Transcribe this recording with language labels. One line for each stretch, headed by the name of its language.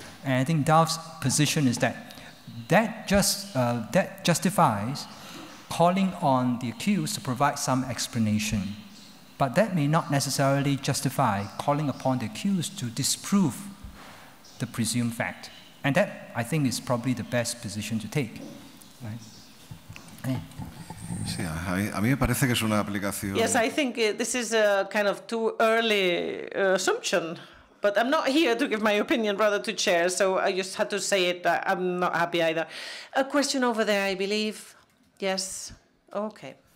English: And I think Duff's position is that that justifies calling on the accused to provide some explanation. But that may not necessarily justify calling upon the accused to disprove the presumed fact. And that, I think, is probably the best position to take.
Spanish: Sí, a mí me parece que es una aplicación.
English: Yes, I think this is a kind of too early assumption, but I'm not here to give my opinion, rather to chair, so I just had to say it. I'm not happy either. A question over there, I believe. Yes. Okay.